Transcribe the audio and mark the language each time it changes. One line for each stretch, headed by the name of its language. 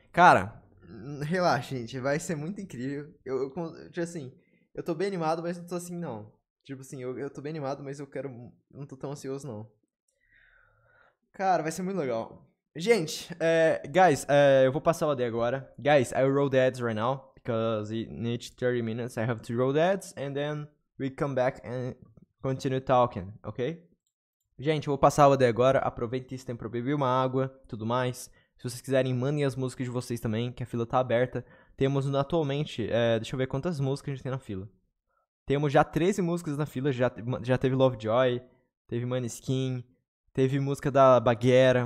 Portuguese: Cara, relaxa, gente. Vai ser muito incrível. Eu tô bem animado, mas não tô assim, não. Tipo assim, eu tô bem animado, mas eu quero... Não tô tão ansioso, não. Cara, vai ser muito legal. Gente, guys, eu vou passar o AD agora.
English: Guys, I roll the ads right now, because it needs 30 minutes. I have to roll the ads, and then we come back and... Continue talking, ok?
Portuguese: Gente, eu vou passar o AD agora. Aproveite esse tempo pra beber uma água e tudo mais. Se vocês quiserem, mandem as músicas de vocês também, que a fila tá aberta. Temos atualmente, deixa eu ver quantas músicas a gente tem na fila. Temos já 13 músicas na fila. Já teve Lovejoy, teve Maneskin, teve música da Baguera.